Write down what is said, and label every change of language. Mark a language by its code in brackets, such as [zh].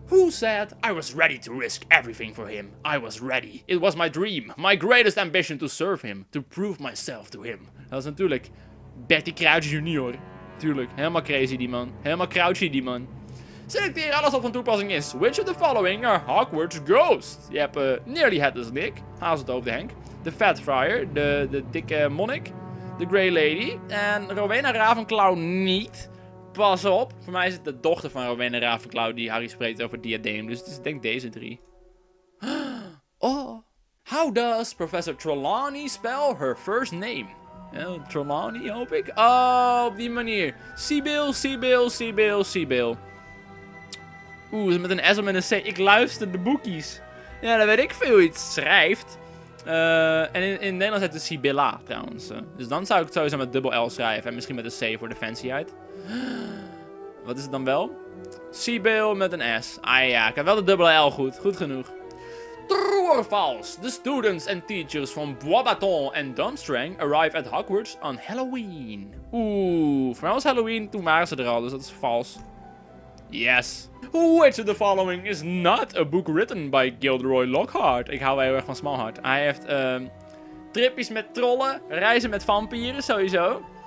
[en] Who said, I was ready to risk everything for him. I was ready. It was my dream. My greatest ambition to serve him. To prove myself to him. [nl] Dat is natuurlijk Betty Crouch Jr. Tuurlijk. Helemaal crazy die man. Helemaal crouchy die man. Selecteer alles wat van toepassing is. [en] Which of the following are Hogwarts ghosts? [nl] Je hebt Nearly Headless Nick. Haas het over de Henk. De Fat Friar. De dikke monnik. de Grey Lady. En Rowena Ravenclaw niet. Pas op. Voor mij is het de dochter van Rowena Ravenclaw die Harry spreekt over Diadem. Dus het is denk deze drie. Oh. [en] How does Professor Trelawney spell her first name? [nl] Trelawney, hoop ik. Oh, op die manier. Sibyl. Oeh, met een S en met een C. Ik luister de boekjes. Ja, dan weet ik veel hoe je het schrijft. En in Nederlands heet het Sibylla, trouwens. Dus dan zou ik het sowieso met dubbel L schrijven. En misschien met een C voor de fancyheid. Wat is het dan wel? Sibyl met een S. Ah ja, ik heb wel de dubbele L goed. Goed genoeg. [en] True or false? The students and teachers from Boisbaton and Dumstrang arrive at Hogwarts on Halloween. [nl] Oeh, voor mij was Halloween, toen waren ze er al, dus dat is vals. [en] Yes. Which of the following is not a book written by Gilderoy Lockhart? [nl] Ik hou heel erg van Smallheart. Hij heeft tripjes met trollen, reizen met vampieren sowieso.